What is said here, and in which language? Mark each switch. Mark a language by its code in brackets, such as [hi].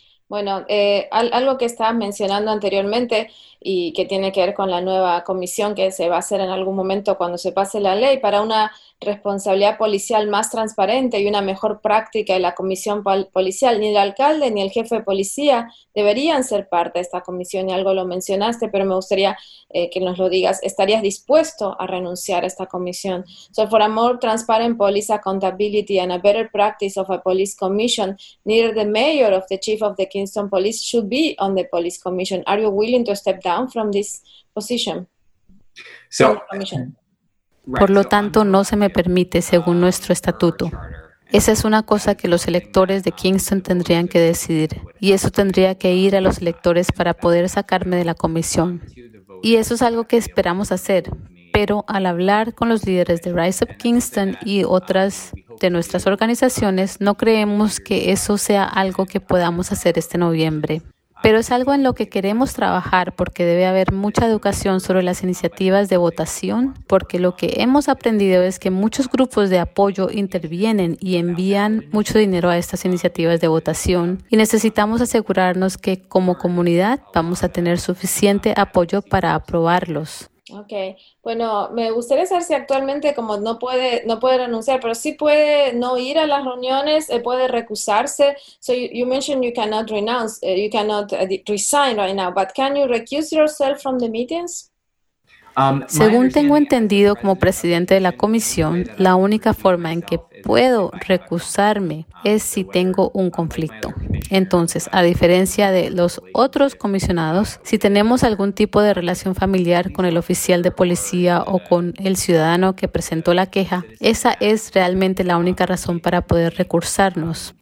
[es] Bueno, algo que estaba mencionando anteriormente y que tiene que ver con la nueva comisión que se va a hacer en algún momento cuando se pase la ley para una responsabilidad policial más transparente y una mejor práctica de la comisión policial. Ni el alcalde ni el jefe de policía deberían ser parte de esta comisión y algo lo mencionaste, pero me gustaría que nos lo digas. ¿Estarías dispuesto a renunciar a esta comisión? [en] So for a more transparent police accountability and a better practice of a police commission, neither the mayor of the chief of the Kingston Police should be on the police commission. Are you willing to step down from this position? So, [es] por lo tanto, no se me permite según nuestro estatuto. Esa es una cosa que los electores de Kingston tendrían que decidir, y eso tendría que ir a los electores para poder sacarme de la comisión. Y eso es algo que esperamos hacer, pero al hablar con los líderes de Rise Up Kingston y otras de nuestras organizaciones, no creemos que eso sea algo que podamos hacer este noviembre. Pero es algo en lo que queremos trabajar porque debe haber mucha educación sobre las iniciativas de votación, porque lo que hemos aprendido es que muchos grupos de apoyo intervienen y envían mucho dinero a estas iniciativas de votación y necesitamos asegurarnos que como comunidad vamos a tener suficiente apoyo para aprobarlos. Okay, bueno, me gustaría saber si actualmente como no puede renunciar, pero sí puede no ir a las reuniones, puede recusarse. [en] So you mentioned you cannot renounce, you cannot resign right now, but can you recuse yourself from the meetings? [es] Según tengo entendido como presidente de la comisión, la única forma en que puedo recusarme es si tengo un conflicto. Entonces, a diferencia de los otros comisionados, si tenemos algún tipo de relación familiar con el oficial de policía o con el ciudadano que presentó la queja, esa es realmente la única razón para poder recusarnos.